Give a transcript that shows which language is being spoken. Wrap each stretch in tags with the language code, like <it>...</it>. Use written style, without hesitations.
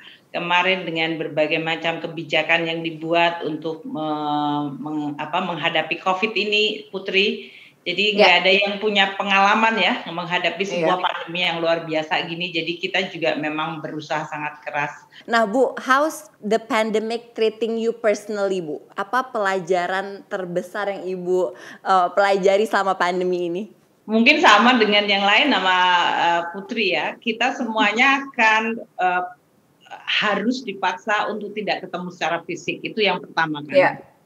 <id>Kemarin dengan berbagai macam kebijakan yang dibuat untuk menghadapi COVID ini, Putri. Jadi nggak ada yang punya pengalaman ya menghadapi sebuah pandemi yang luar biasa gini. Jadi kita juga memang berusaha sangat keras.</id> <en>Nah Bu, how's the pandemic treating you personally Bu?</en> <id>Apa pelajaran terbesar yang Ibu pelajari selama pandemi ini? Mungkin sama dengan yang lain sama Putri ya. Kita semuanya akan... harus dipaksa untuk tidak ketemu secara fisik, itu yang pertama kan.</id>